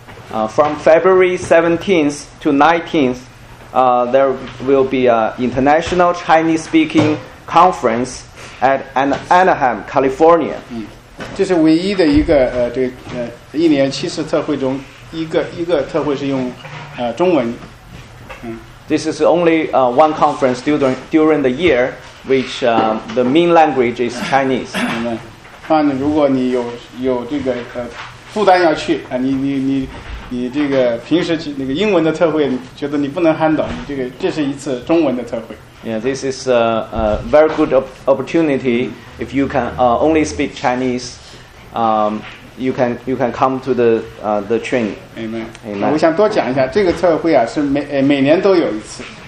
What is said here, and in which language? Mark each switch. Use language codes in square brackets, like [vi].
[en] From February 17th to 19th, there will be an international Chinese speaking conference at Anaheim, California. [zh] 这是唯一的一个一年七次特会中一个特会是用中文。 [en] This is only one conference during the year which the main language is Chinese. [zh] 当然，如果你有这个负担要去啊，你这个平时那个英文的特会，你觉得你不能 handle， 你这是一次中文的特会。 [en] Yeah, this is a very good opportunity if you can only speak Chinese. You can come to the training. Amen. [zh] 我想多讲一下，这个特会啊是每年都有一次。